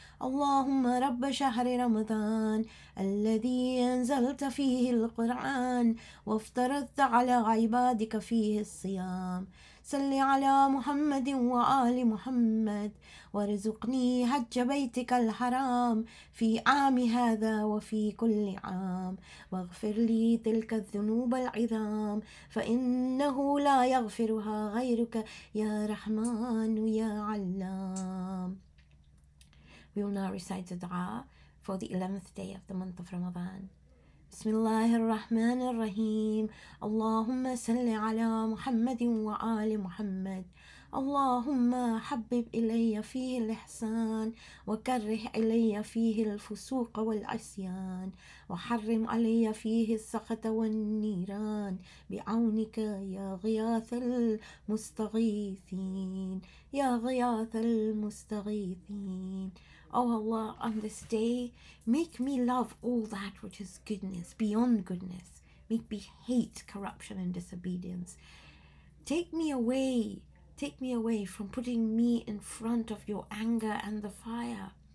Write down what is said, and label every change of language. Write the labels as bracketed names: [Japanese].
[Arabic] اللهم رب شهر رمضان الذي أنزلت فيه القرآن وافترضت على عبادك فيه الصيام، صل على محمد وآل محمد، وارزقني حج بيتك الحرام في عام هذا وفي كل عام، واغفر لي تلك الذنوب العظام فإنه لا يغفرها غيرك يا رحمن يا علام. [English] We will now recite the dua for the 11th day of the month of Ramadan. [Arabic] بسم الله الرحمن الرحيم. اللهم صل على محمد وآل محمد. اللهم حبب إلي فيه الإحسان وكره إلي فيه الفسوق والعصيان وحرم علي فيه السخط والنيران بعونك يا غياث المستغيثين يا غياث المستغيثين. [English] Oh Allah, on this day, make me love all that which is goodness, beyond goodness. Make me hate corruption and disobedience. Take me away from putting me in front of your anger and the fire.